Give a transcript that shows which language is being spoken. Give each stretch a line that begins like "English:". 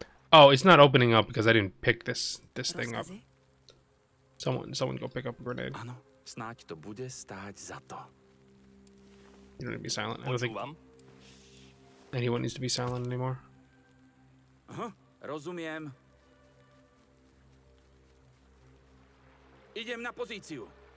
English: Oh, it's not opening up because I didn't pick this thing up. Someone go pick up a grenade.
Slovak: Ano, snáď to bude stát za to.
English: You don't need to be silent. I don't think anyone needs to be silent anymore.
Slovak: Rozumiem. Idem na pozíciu.